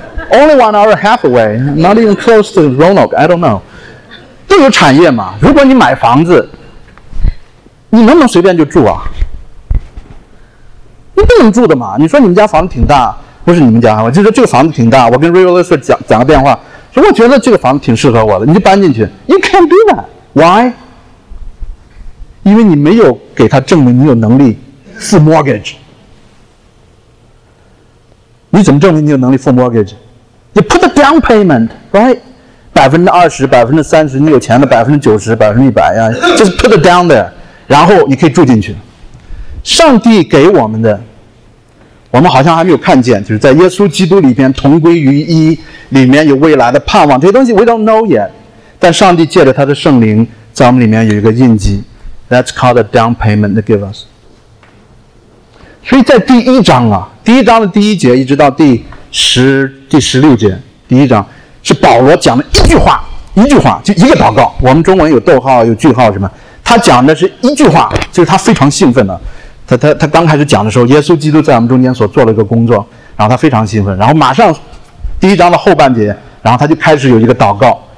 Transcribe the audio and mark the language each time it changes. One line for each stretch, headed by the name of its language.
English: Only 1.5 hours away, not even close to Roanoke. I don't know.
Chinese: 都有产业嘛？如果你买房子，你能不能随便就住啊？你不能住的嘛？你说你们家房子挺大，不是你们家，我就说这个房子挺大。我跟 realtor 讲个电话，说我觉得这个房子挺适合我的，你就搬进去。
English: You can't do that. Why?
Chinese: 因为你没有给他证明你有能力付 mortgage， 你怎么证明你有能力付 mortgage？
English: You put a down payment， right？
Chinese: 20%、30%，你有钱的90%、100%呀，就是
English: put a down there，
Chinese: 然后你可以住进去。上帝给我们的，我们好像还没有看见，就是在耶稣基督里边同归于一，里面有未来的盼望，这些东西
English: we don't know yet。
Chinese: 但上帝借着他的圣灵，在我们里面有一个印记。
English: That's called a down payment to give us.
Chinese: 所以在第一章啊，第一章的第一节一直到第十六节，第一章是保罗讲的一句话，就一个祷告。我们中文有逗号，有句号什么？他讲的是一句话，就是他非常兴奋的。他刚开始讲的时候，耶稣基督在我们中间所做了一个工作，然后他非常兴奋，然后马上第一章的后半节，然后他就开始有一个祷告。